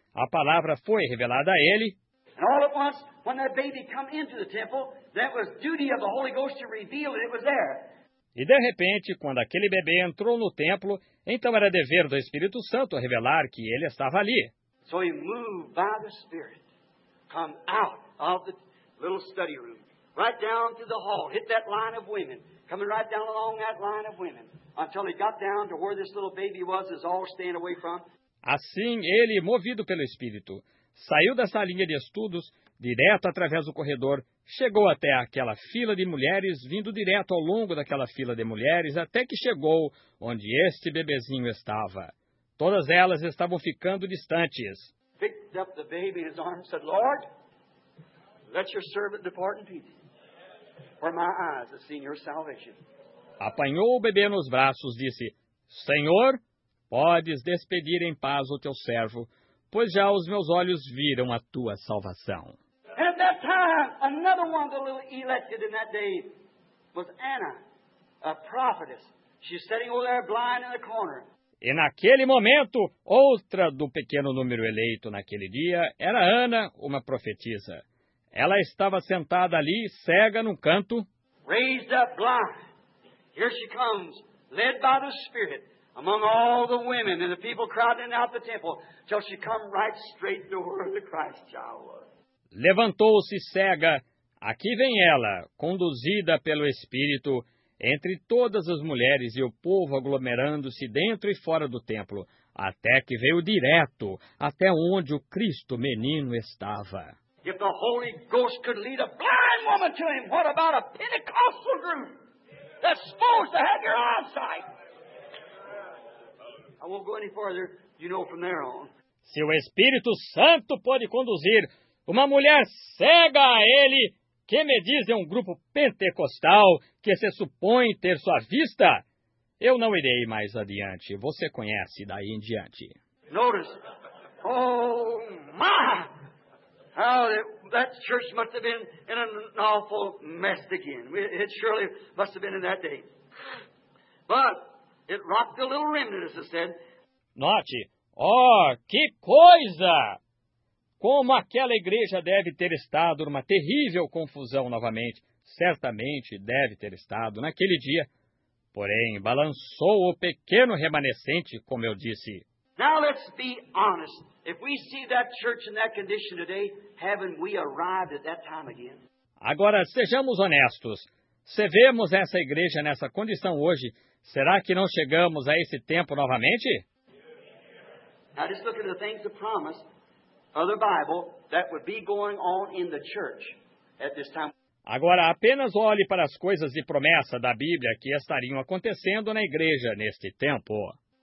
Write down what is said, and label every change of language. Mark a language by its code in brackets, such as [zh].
[pt] A palavra foi revelada a ele. [en] And all at once, when that baby came into the temple, that was duty of the Holy Ghost to reveal it, it was there. [pt] E de repente, quando aquele bebê entrou no templo, então era dever do Espírito Santo revelar que ele estava ali. [en] So he moved by the Spirit, come out of the little study room, right down to the hall, hit that line of women. Coming right down along that line of women, until he got down to where this little baby was, is all staying away from. [pt] Assim, ele, movido pelo Espírito, saiu dessa linha de estudos, direto através do corredor, chegou até aquela fila de mulheres, vindo direto ao longo daquela fila de mulheres, até que chegou onde este bebezinho estava. Todas elas estavam ficando distantes. [en] Picked up the baby in his arms, said, Lord, let your servant depart in peace. For my eyes have seen your salvation. [pt] Apanhou o bebê nos braços, disse, Senhor, podes despedir em paz o teu servo, pois já os meus olhos viram a tua salvação. [en] And at that time, another one of the little elected in that day was Anna, a prophetess. She's sitting over there blind in the corner. [pt] E naquele momento, outra do pequeno número eleito naquele dia era Ana, uma profetisa. Ela estava sentada ali, cega, num canto. [en] Raised up blind. Here she comes, led by the Spirit, among all the women and the people crowding out the temple, till she come right straight to where the Christ child was. [pt] Levantou-se cega. Aqui vem ela, conduzida pelo Espírito, entre todas as mulheres e o povo aglomerando-se dentro e fora do templo, até que veio direto, até onde o Cristo menino estava. [en] If the Holy Ghost could lead a blind woman to him, what about a Pentecostal group that's supposed to have your eyesight? I won't go any further, you know, from there on. [pt] Se o Espírito Santo pode conduzir uma mulher cega a ele, que me diz de um grupo pentecostal que se supõe ter sua vista? Eu não irei mais adiante. Você conhece daí em diante. [en] Notice. Oh, my! How that church must have been in an awful mess again. It surely must have been in that day. But it rocked the little remnant, as I said. [pt] Note, oh, que coisa! Como aquela igreja deve ter estado numa terrível confusão novamente. Certamente deve ter estado naquele dia. Porém, balançou o pequeno remanescente, como eu disse. [en] Now let's be honest. If we see that church in that condition today, haven't we arrived at that time again? [pt] Agora, sejamos honestos. Se vemos essa igreja nessa condição hoje, será que não chegamos a esse tempo novamente? [en] Now just look at the things of promise of the Bible that would be going on in the church at this time. [pt] Agora, apenas olhe para as coisas de promessa da Bíblia que estariam acontecendo na igreja neste tempo.